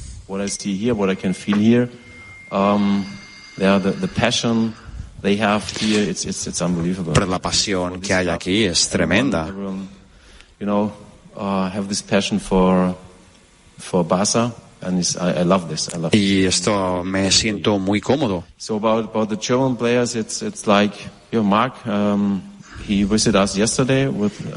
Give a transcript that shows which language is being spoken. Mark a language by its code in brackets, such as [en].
[en] What I see here, what I can feel here, the passion they have here, it's unbelievable. [es] Pero la pasión que hay aquí es tremenda. [en] You know, have this passion for Barça, and I love this. I love [es] y esto me siento muy cómodo. [en] So about the German players, it's like, you know, Mark, he visited us yesterday with